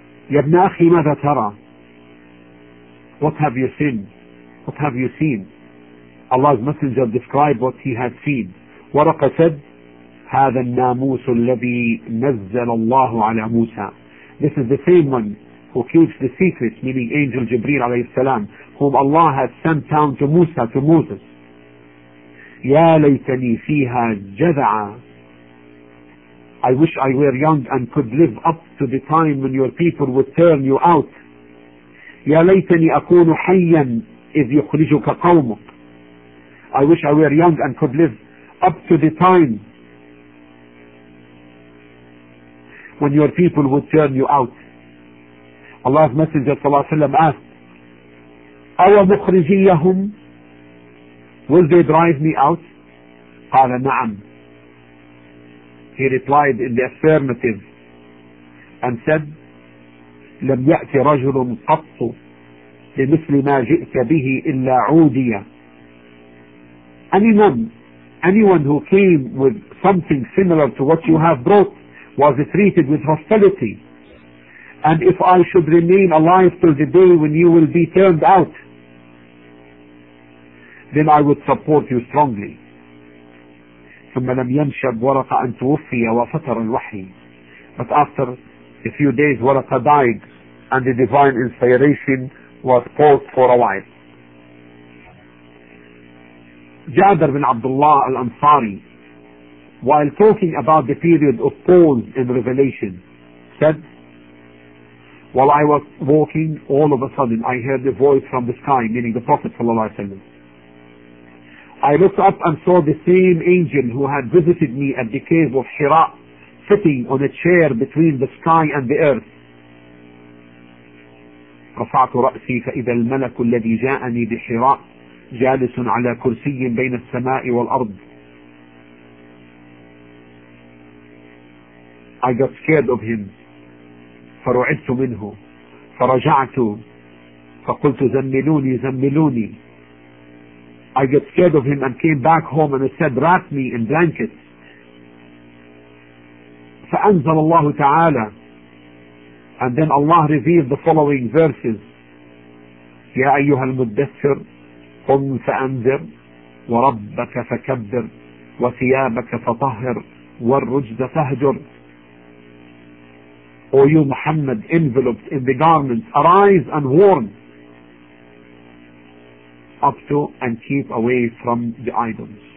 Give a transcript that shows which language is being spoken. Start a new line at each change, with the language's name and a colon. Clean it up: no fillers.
Arabic: يبنى أخي ماذا ترى
English: What have you seen? What have you seen? Allah's Messenger described what he had seen.
Arabic: ورقة
English: said,
Arabic: هذا الناموس الذي نزل الله على موسى.
English: This is the same one who keeps the secrets, meaning Angel Jibreel عليه السلام, whom Allah had sent down to Musa, to Moses.
Arabic: يا ليتني فيها جذعا.
English: I wish I were young and could live up to the time when your people would turn you out.
Arabic: يا ليتني أكون حيا إذ يخرجك قومك.
English: I wish I were young and could live up to the time when your people would turn you out. Allah's Messenger
Arabic: صلى الله عليه وسلم
English: asked,
Arabic: أو مخرجيهم,
English: will they drive me out?
Arabic: قال نعم.
English: He replied in the affirmative and said,
Arabic: لم يأتي رجل قط لمثل ما جئت به إلا عوديا.
English: Anyone who came with something similar to what you have brought was treated with hostility. And if I should remain alive till the day when you will be turned out, then I would support you strongly.
Arabic: ثم لم ينشب ورقة أن توفي وفتر الوحي.
English: But after a few days, ورقة died and the divine inspiration was paused for a while. Jabir bin Abdullah al-Ansari, while talking about the period of pause in revelation, said, while I was walking, all of a sudden I heard a voice from the sky, meaning the Prophet sallallahu alaihi wasallam. I looked up and saw the same angel who had visited me at the cave of Hira sitting on a chair between the sky and the earth.
Arabic: رفعت رأسي فإذا الملك الذي جاءني بحراء جالس على كرسي بين السماء والأرض.
English: I got scared of him,
Arabic: فرعدت منه, فرجعت فقلت زملوني زملوني.
English: I got scared of him and came back home and said, wrap me in blankets.
Arabic: فأنزل الله تعالى,
English: and then Allah revealed the following verses.
Arabic: يا أيها المدثر قم فأنذر وربك فكبر وثيابك فطهر والرجز فهجر.
English: O you Muhammad, enveloped in the garments, arise and warn up to and keep away from the idols.